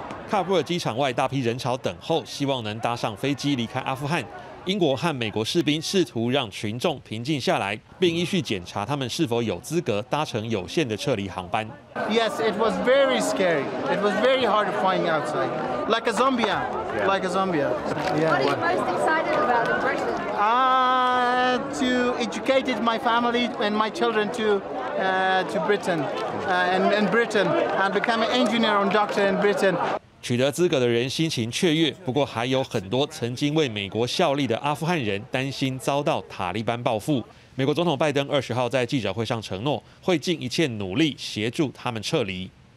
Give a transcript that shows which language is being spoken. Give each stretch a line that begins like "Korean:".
Chinese: 喀布尔机场外大批人潮等候，希望能搭上飞机离开阿富汗。英国和美国士兵试图让群众平静下来，并依序检查他们是否有资格搭乘有限的撤离航班。
English: Yes, it was very scary. It was very hard to find outside, like a zombie. Yeah. Like a zombie. Yeah. What are you most excited about in person? To educate my family and my children to Britain, and Britain, and become an engineer and doctor in Britain.
Chinese: 取得资格的人心情雀跃，不过还有很多曾经为美国效力的阿富汗人担心遭到塔利班报复。美国总统拜登20号在记者会上承诺，会尽一切努力协助他们撤离。